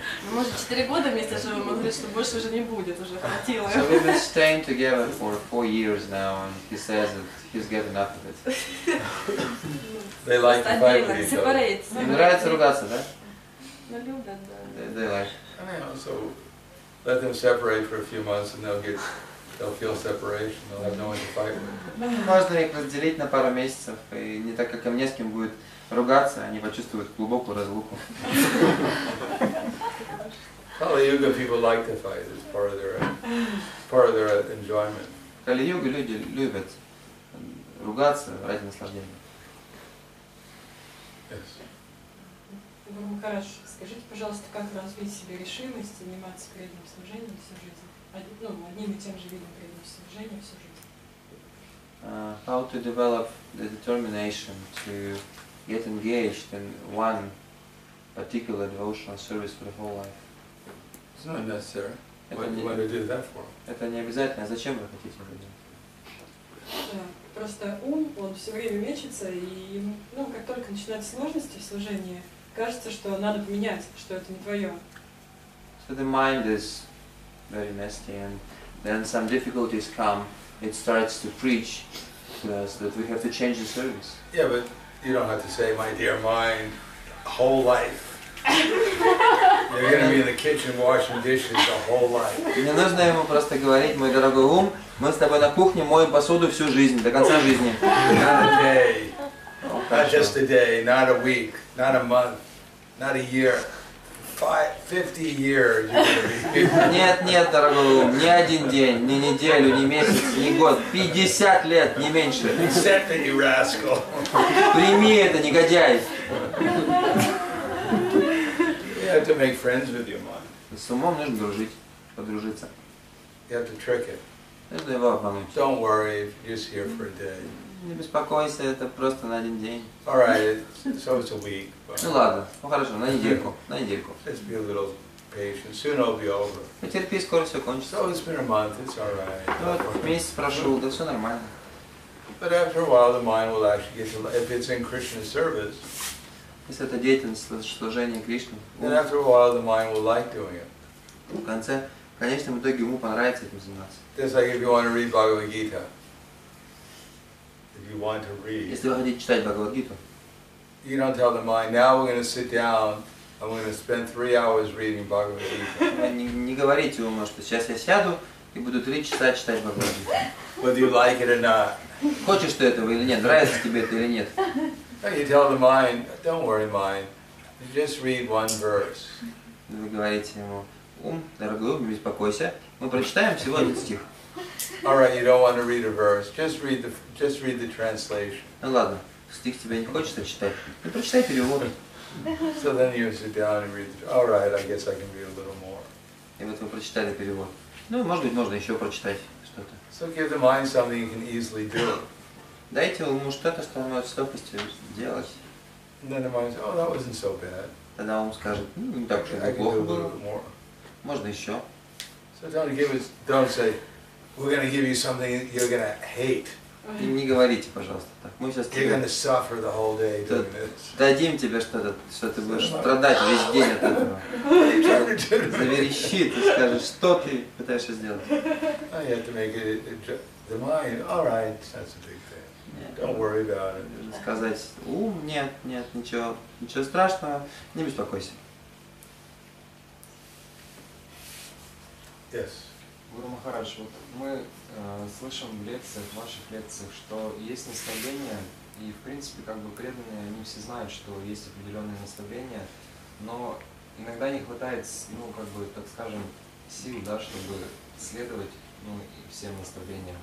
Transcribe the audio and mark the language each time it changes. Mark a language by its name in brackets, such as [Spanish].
[Russian] Мы, может, 4 года вместе живем, он говорит, что больше уже не будет, уже хватило. [English] So we've been staying together for 4 years now, and he says that he's got enough of it. They like to fight with each other. [Russian] Им нравится ругаться, да? Ну, любят, да. [English] They like. Let them separate for a few months, and they'll feel separation. They'll have no one to fight with. [Russian] Можно их разделить на пару месяцев, и не так как им не с кем будет ругаться, они почувствуют глубокую разлуку. [English] Kali-yuga people like to fight. It's part of their enjoyment. [Russian] Kali-yuga люди любят ругаться ради наслаждения. [English] Yes. [Russian] Хорошо. Скажите, пожалуйста, как развить в себе решимость заниматься преданным служением всю жизнь? Ну, одним и тем же видом преданного служения всю жизнь. [English] How to develop the determination to get engaged in one particular devotional service for the whole life? It's not necessary. [Russian] Это не обязательно. Зачем вы хотите это делать? Просто ум, он все время мечется, и ну, как только начинаются сложности в служении, кажется, что надо поменять, что это не твое. [English] So the mind is very nasty, and then some difficulties come, it starts to preach to us that we have to change the service. Yeah, but you don't have to say, my dear mind, whole life. You're going to be in the kitchen washing dishes the whole life. [Russian] Не нужно ему просто говорить, мой дорогой ум, мы с тобой на кухне моем посуду всю жизнь, до конца жизни. [English] Not a day. Not just a day, not a week, not a month, not a year. 50 years you're going to be here. [Russian] Нет, дорогой ум, ни один день, ни неделю, ни месяц, ни год. 50 лет, не меньше. [English] Accept that, you rascal. [Russian] Прими это, негодяй. [English] You have to make friends with your mind. [Russian] С умом нужно дружить, подружиться. [English] You have to trick it. [Russian] Нужно его обмануть. [English] Don't worry, just here for a day. [Russian] Не беспокойся, это просто на один день. [English] All right, so it's a week. [Russian] Ну ладно, ну хорошо, на недельку. [English] Just be a little patient. Soon it'll be over. [Russian] Потерпи, скоро все кончится. [English] So it's been a month, it's all right. [Russian] Ну вот месяц прошел, да все нормально. [English] But after a while, the mind will actually get to, if it's in Krishna service. [Russian] Если это деятельность служения Кришне, в конце, в конечном итоге ему понравится этим заниматься. [English] Like if you want to read Bhagavad Gita. If you want to read. [Russian] Если вы хотите читать Бхагавад Гиту. [English] You don't tell the mind, now we're going to sit down and we're going to spend 3 hours reading Bhagavad Gita. [Russian] Не говорите ему, что сейчас я сяду и буду 3 часа читать Бхагавад Гиту. [English] Whether you like it or not. [Russian] Хочешь ты этого или нет, нравится тебе это или нет. [English] You tell the mind, don't worry, mind. You just read one verse. [Russian] Вы говорите ему, ум, дорогой ум, не беспокойся. Мы прочитаем всего один стих. [English] All right, you don't want to read a verse. Just read the translation. [Russian] Ну ладно, стих тебе не хочется читать. Ну прочитай перевод. [English] So then you sit down and read. All right, I guess I can read a little more. [Russian] И вот вы прочитали перевод. Ну, может быть, можно еще прочитать что-то. [English] So give the mind something you can easily do. [Russian] Дайте ему что-то, что он может с легкостью делать. [English] Then the mind says, oh, that wasn't so bad. Тогда он скажет, ну, не так уж это плохо было. [Russian] Можно еще. [English] So don't say, we're going to give you something you're going to hate. [Russian] И не говорите, пожалуйста, так. Мы сейчас [English] you're going to suffer the whole day doing this. [Russian] Дадим тебе что-то, что ты будешь страдать весь день от этого. Заверещи, ты скажешь, что ты пытаешься сделать. [English] I have to make it the mind, all right, that's a big thing. Don't worry about it. [Russian] Сказать, ум, нет, ничего страшного, не беспокойся. [English] Yes. [Russian] Гуру Махарадж, вот мы слышим в лекциях, в ваших лекциях, что есть наставления, и в принципе, как бы преданные, они все знают, что есть определенные наставления, но иногда не хватает, ну, как бы, так скажем, сил, да, чтобы следовать, ну, всем наставлениям.